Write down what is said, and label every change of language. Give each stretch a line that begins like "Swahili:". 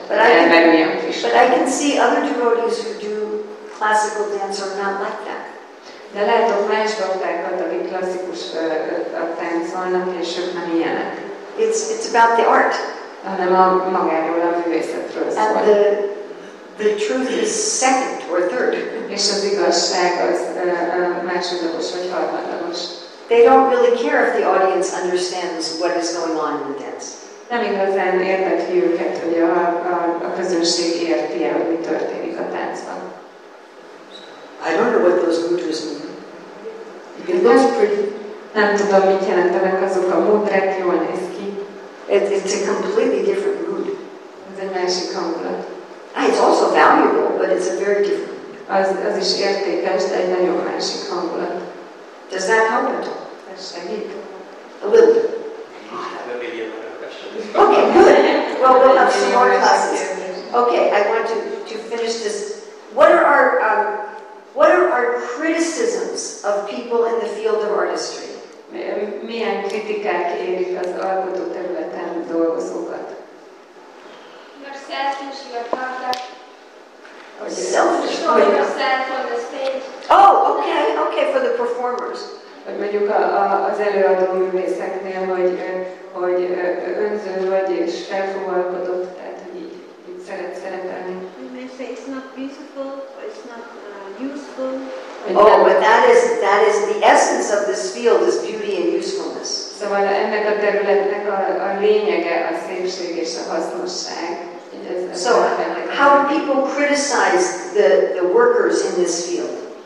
English: But I can see other devotees who do classical dance are not like that.
Hungarian: De látok más baktákat, akik klasszikus táncolnak, és ők nem ilyenek.
English: It's about the art.
Hungarian: Hanem magáról a művészetről szól.
English: The truth is second or third.
Hungarian: És az igazság az másodlagos vagy harmadlagos.
English: They don't really care if the audience understands what is going on in the dance.
Hungarian: Nem igazán érdekli őket, hogy a közönség érti el, hogy mi történik a táncban.
English: I don't know what those mudras mean.
Hungarian: Nem tudom, mit jelentenek azok a mudrák, jól néz ki.
English: It's a completely different mood.
Hungarian: Ez egy másik hangulat.
English: It's also valuable, but it's a very different.
Hungarian: Az is értékes, de egy nagyon másik hangulat.
English: Does that help at
Hungarian: all? Ez segít.
English: A little bit. Okay, good. Well, we'll have some more classes. Okay, I want to finish this. What are our criticisms of people in the field of artistry?
Hungarian: Milyen kritikák érik az alkotó területen dolgozókat?
English: Selfish, you are part of yourself on the stage. Oh, okay, for the performers.
Hungarian: Vagy mondjuk az előadó művészeknél, hogy önző vagy és felfogalkodott, tehát hogy így szeretni.
English: You may say it's not beautiful, or it's not useful. Oh, but that is the essence of this field, is beauty and usefulness.
Hungarian: Szóval ennek a területnek a lényege a szépség és a hasznosság.
English: So, how do people criticize the workers in this field?